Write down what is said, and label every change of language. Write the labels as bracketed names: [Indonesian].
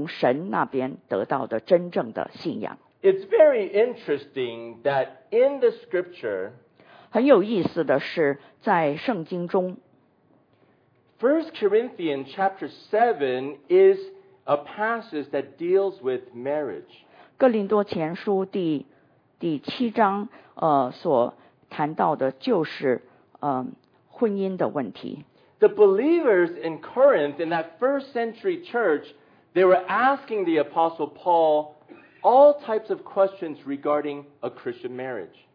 [Chinese] 我们就盼望圣灵能够光照我们，能够引导我们，让我们能够了解并且接受神从神那边得到的真正的信仰。 [English] It's very interesting that in the scripture, [Chinese] 很有意思的是在圣经中， [English] 1 Corinthians chapter 7 is a passage that deals with marriage. [Chinese] 哥林多前书第七章所谈到的就是婚姻的问题。 [English] The believers in Corinth in that first century church, they were asking the Apostle Paul all types of questions regarding a Christian marriage.